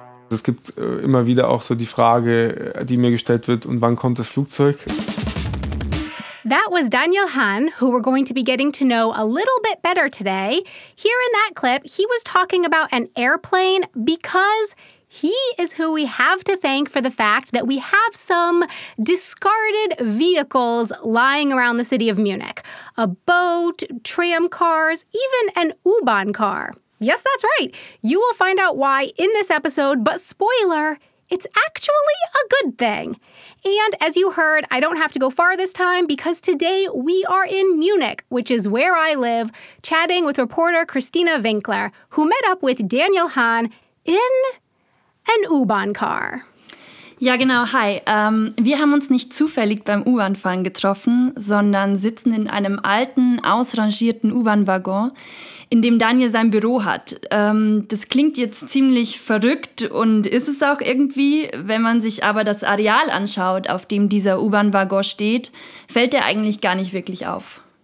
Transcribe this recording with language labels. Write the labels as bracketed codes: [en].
[de] Es gibt immer wieder auch so die Frage, die mir gestellt wird, und wann kommt das Flugzeug? [en] That was Daniel Hahn, who we're going to be getting to know a little bit better today. Here in that clip, he was talking about an airplane because he is who we have to thank for the fact that we have some discarded vehicles lying around the city of Munich. A boat, tram cars, even an U-Bahn car. Yes, that's right. You will find out why in this episode, but spoiler, it's actually a good thing. And as you heard, I don't have to go far this time because today we are in Munich, which is where I live, chatting with reporter Christina Winkler, who met up with Daniel Hahn in an U-Bahn car. [de] Ja, genau. Hi. Wir haben uns nicht zufällig beim U-Bahnfahren getroffen, sondern sitzen in einem alten, ausrangierten U-Bahn-Waggon, in dem Daniel sein Büro hat. Das klingt jetzt ziemlich verrückt und ist es auch irgendwie. Wenn man sich aber das Areal anschaut, auf dem dieser U-Bahn-Waggon steht, fällt er eigentlich gar nicht wirklich auf.